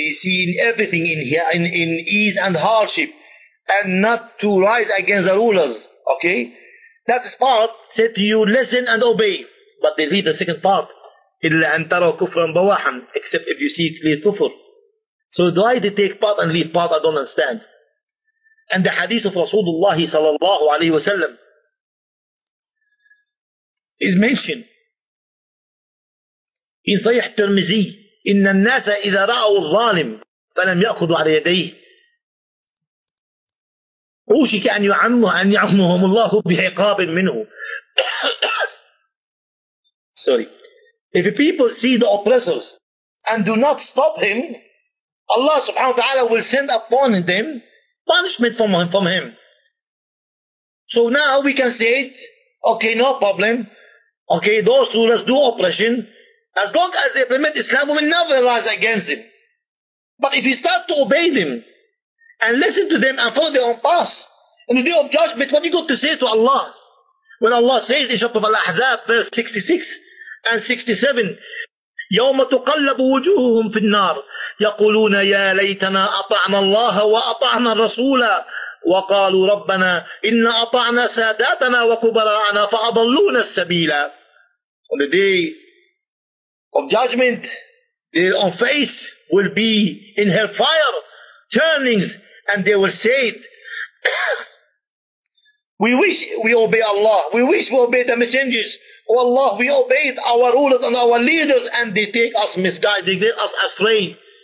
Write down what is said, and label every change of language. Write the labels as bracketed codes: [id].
[en] He see in everything in here in ease and hardship, and not to rise against the rulers. Okay, that is part said to you. Listen and obey. But they read the second part. [ar] إلا أن تروا كفرا بواحا, [en] except if you see clear kufr. So do I take part and leave part? I don't understand. And the hadith of Rasulullah sallallahu alayhi wa sallam is mentioned in Sahih Tirmizi, [ar] إِنَّ النَّاسَ إِذَا رَأَوُوا الظَّالِمِ فَلَمْ يَأْخُذُوا عَلَى يَدَيْهِ أُوشِكَ أَنْ يُعَمُّهُمُ اللَّهُ بِحِقَابٍ مِّنْهُ. [en] Sorry. If people see the oppressors and do not stop him, Allah subhanahu wa ta'ala will send upon them punishment from him. So now we can say it, okay, no problem. Okay, those rulers do oppression. As long as they implement Islam, we will never rise against them. But if you start to obey them and listen to them and follow their own path in the day of judgment, what are you going to say to Allah? When Allah says in Shatuf al-Ahzab, verse 66 and 67, [ar] يوم تقلب وجوههم في النار يقولون يا ليتنا أطعنا الله وأطعنا الرسول وقالوا ربنا إن أطعنا ساداتنا وكبراءنا فأضلونا السبيلا. [en] On the day of judgment, their own face will be in her fire turnings, and they will say it, We wish we obey Allah. We wish we obey the messengers. Oh Allah, we obeyed our rulers and our leaders, and they take us misguided, they take us astray.